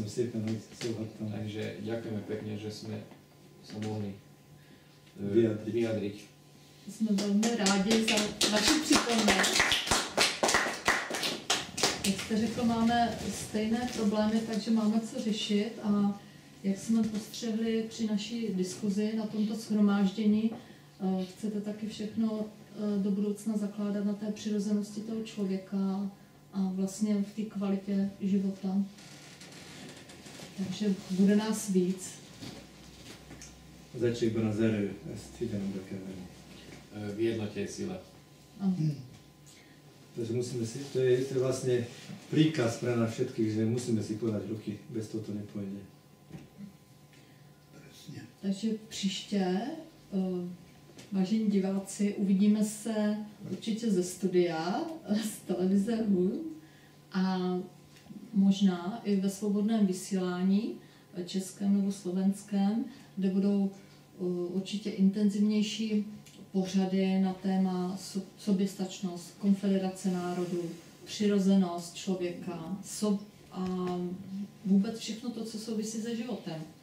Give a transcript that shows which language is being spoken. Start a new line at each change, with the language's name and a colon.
Slovak: Takže ďakujeme pekne, že sme sa mohli vyjadriť. Sme veľmi rádi za vaše pripomienky.
Czech: Jak jste řekl, máme stejné problémy, takže máme co řešit a jak jsme postřehli při naší diskuzi na tomto shromáždění, chcete taky všechno do budoucna zakládat na té přirozenosti toho člověka a vlastně v té kvalitě života. Takže bude nás víc. Začík na zeru, jestli jde nám do kevení. V jednotě je síle.
Slovak: Takže musíme si, to je vlastne príkaz pre nás všetkých, že musíme si podať ruky, bez toho to nepôjde.
Czech: Takže příště, vážení diváci, uvidíme se určitě ze studia, z televize HUM a možná i ve svobodném vysílání českém nebo slovenském, kde budou určitě intenzivnější pořady na téma soběstačnost, konfederace národů, přirozenost člověka a vůbec všechno to, co souvisí se životem.